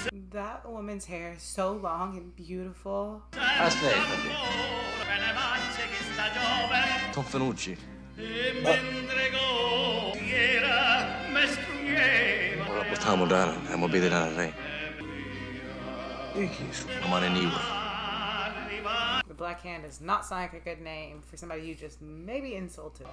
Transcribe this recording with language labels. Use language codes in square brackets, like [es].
[en] That woman's hair is so long and beautiful. I say, Tom Fenucci. [it] Ora portiamo Dana, andiamo a vedere Dana Ray. E chi è? Romane Niva. [en] The Black Hand is not sounding like a good name for somebody you just maybe insulted.